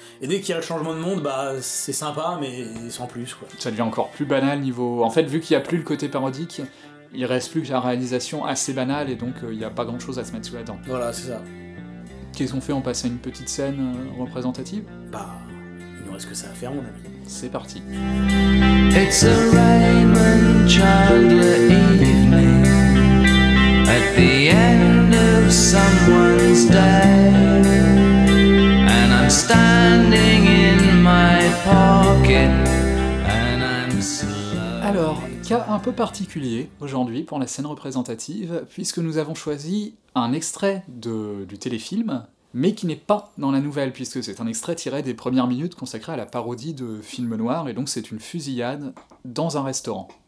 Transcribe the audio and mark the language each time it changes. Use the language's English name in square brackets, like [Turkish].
[French] Et dès qu'il y a le changement de monde, bah c'est sympa, mais sans plus, quoi. Ça devient encore plus banal niveau... En fait, vu qu'il n'y a plus le côté parodique, il reste plus que la réalisation assez banale, et donc il n'y a pas grand-chose à se mettre sous la dent. Voilà, c'est ça. Qu'est-ce qu'on fait? On passe à une petite scène représentative? Bah, il nous reste que ça à faire, mon ami. C'est parti. [English] It's a Raymond Chandler evening at the end. Someone's dead, and I'm standing in my pocket, and I'm slowly... [French] Alors, cas un peu particulier aujourd'hui pour la scène représentative, puisque nous avons choisi un extrait du téléfilm, mais qui n'est pas dans la nouvelle, puisque c'est un extrait tiré des premières minutes consacrées à la parodie de film noir, et donc c'est une fusillade dans un restaurant.